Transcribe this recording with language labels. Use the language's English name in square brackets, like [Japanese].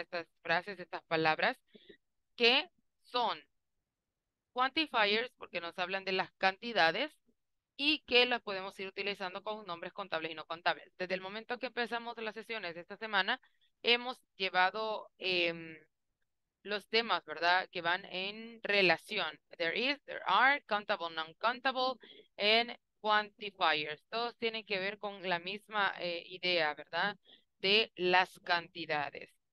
[Spanish] Estas frases, estas palabras, que son quantifiers, porque nos hablan de las cantidades, y que las podemos ir utilizando con nombres contables y no contables. Desde el momento que empezamos las sesiones de esta semana, hemos llevado los temas, ¿verdad?, que van en relación. [English] There is, there are, countable, non-countable, and quantifiers. [Spanish] Todos tienen que ver con la misma idea, ¿verdad?, de las cantidades.